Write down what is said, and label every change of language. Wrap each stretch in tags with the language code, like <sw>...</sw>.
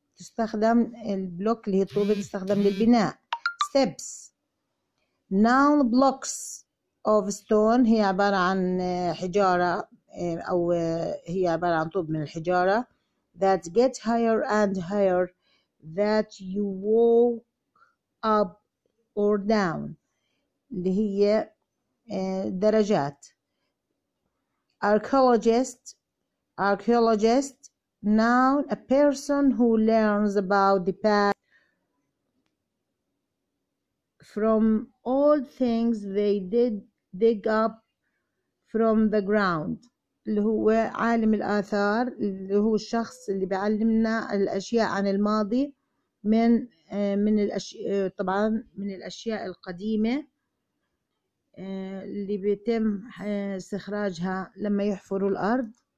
<ar>تستخدم البلوك اللي هي الطوبة تستخدم للبناء.</ar> <en>Steps. Noun, blocks of stone.</en> <ar>هي عبارة عن حجارة أو هي عبارة عن طوب من الحجارة.</ar> <en>That get higher and higher that you walk up or down.</en> <ar>اللي هي درجات. Archaeologist.</ar> <en>Archaeologist. Noun, a person who learns about the past from old things they did dig up from the ground.</en> <ar>اللي هو عالم الآثار اللي هو الشخص اللي بيعلمنا الأشياء عن الماضي من الأشياء طبعا من الأشياء القديمة اللي بيتم استخراجها لما يحفروا الأرض.</ar>